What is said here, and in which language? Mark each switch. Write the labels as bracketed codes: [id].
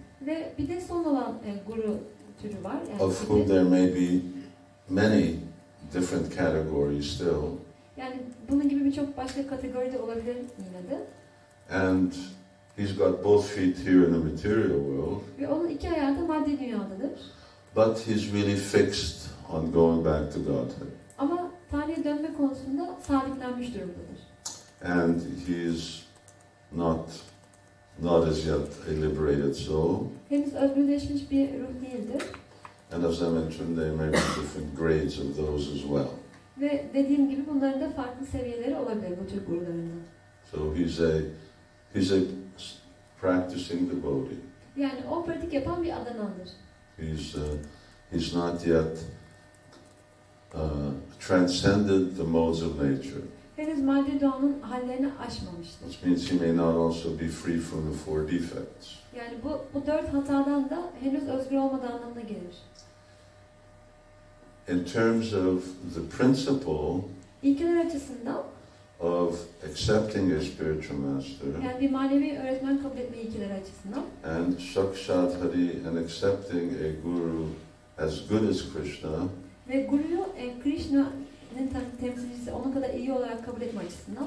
[tr] Ve bir de son olan guru türü var. Yani [en] of whom there may be many different categories still. [tr] Yani bunun gibi birçok başka kategoride olabilir yine de. [en] And he's got both feet here in the material world. [tr] Ve onun iki ayağı da maddi dünyadadır. [en] But he's really fixed on going back to Godhead. [tr] Ama tarihe dönme konusunda sabitlenmiş durumdadır. [en] And he is not as yet a liberated soul. [tr] Henüz özgürleşmiş bir ruh değildir. [en] And as I mentioned, there may be different grades of those as well. [tr] Ve dediğim gibi bunların da farklı seviyeleri olabilir bu tür gurularının. [en] So he's a practicing devotee. [tr] Yani o pratik yapan bir adamdır. [en] He's not yet transcended the modes of nature. [tr] Henüz madde doğanın hallerini aşmamıştır. [en] Which means he may not also be free from the four defects. [tr] Yani bu dört hatadan da henüz özgür olmadığı anlamına gelir. [en] In terms of the principle, [tr] İlkeler açısından, [en] of accepting a spiritual master, [tr] yani bir manevi öğretmen kabul etme ilkeler açısından, [en] and sakshat hari and accepting a guru as good as Krishna, [tr] ve guruyu Krishna'nın temsilcisi onu kadar iyi olarak kabul etme açısından,